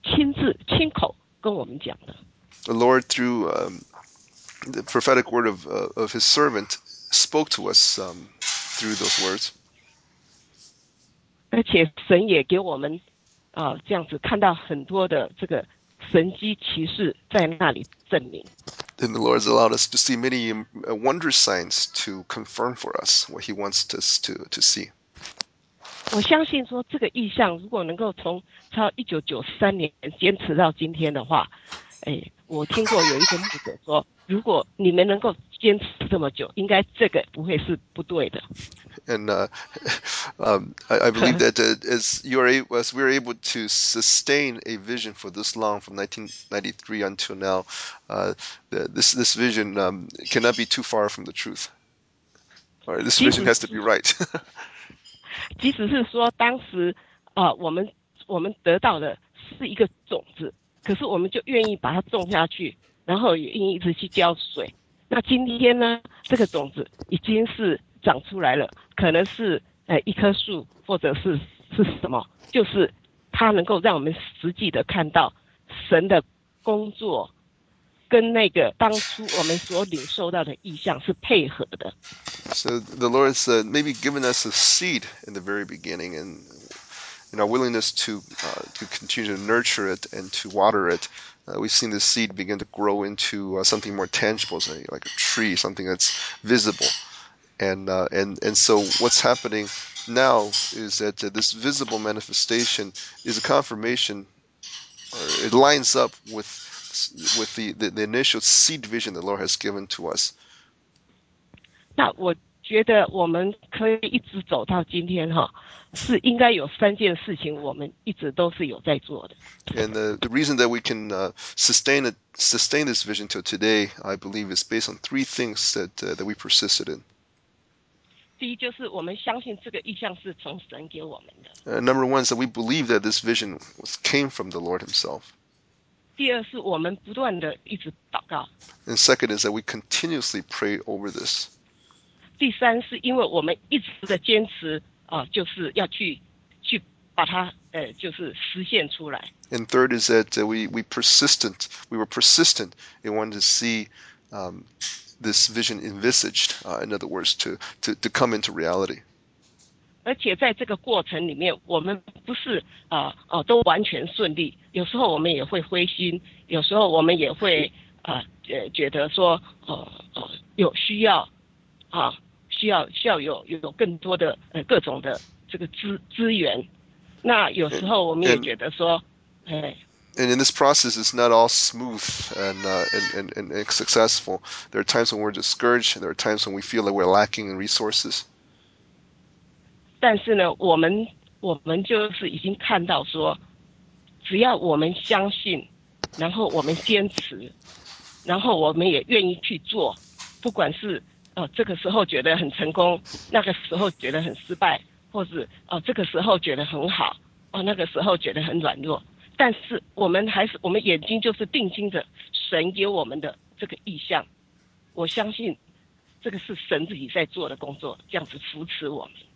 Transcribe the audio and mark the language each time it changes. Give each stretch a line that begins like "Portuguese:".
Chinese: 神透过他的使女亲口跟我们讲的。
English: The Lord, through the prophetic word of His servant, spoke to us through those words.
Chinese: 而且神也给我们这样子看到很多的这个。
English: Then the Lord has allowed us to see many wondrous signs to confirm for us what He wants us to see.
Chinese: 我相信说这个意象如果能够从超1993年坚持到今天的话，哎，我听过有一个牧者说，如果你们能够坚持这么久，应该这个不会是不对的。
English: And I believe that as we are able to sustain a vision for this long from 1993 until now, this vision cannot be too far from the truth. All right, this vision has to be right.
Chinese: 即使是说当时我们得到的是一个种子，可是我们就愿意把它种下去，然后也愿意一直去浇水。那今天呢，这个种子已经是长出来了，可能是一棵树，或者是什么，就是它能够让我们实际的看到神的工作跟那个当初我们所领受到的意象是配合的。
English: So the Lord has maybe given us a seed in the very beginning, and in our willingness to continue to nurture it and to water it, we've seen the seed begin to grow into something more tangible, say, like a tree, something that's visible. And so what's happening now is that this visible manifestation is a confirmation, or it lines up with the initial seed vision the Lord has given to us.
Chinese: 那我觉得我们可以一直走到今天哈，是应该有三件事情我们一直都是有在做的。
English: And the reason that we can sustain this vision till today, I believe, is based on three things that we persisted in.
Chinese: 第一就是我们相信这个意象是从神给我们的。
English: Number one is that we believe that this vision came from the Lord Himself.
Chinese: 第二是我们不断的一直祷告。
English: And second is that we continuously pray over this.
Chinese: 第三是因为我们一直的坚持就是要去把它就是实现出来。
English: And third is that we were persistent in wanting to see this vision envisaged, in other words, to come into reality.
Chinese: 而且在这个过程里面，我们不是都完全顺利。有时候我们也会灰心，有时候我们也会觉得说有需要啊，需要有更多的各种的这个资源。那有时候我们也觉得说，
English: And in this process, it's not all smooth and successful. There are times when we're discouraged, and there are times when we feel like we're lacking in resources.
Chinese: 但是呢，我们就是已经看到说，只要我们相信，然后我们坚持，然后我们也愿意去做，不管是这个时候觉得很成功，那个时候觉得很失败，或是这个时候觉得很好，那个时候觉得很软弱，但是我们眼睛就是定睛着神给我们的这个意象，我相信这个是神自己在做的工作，这样子扶持我们。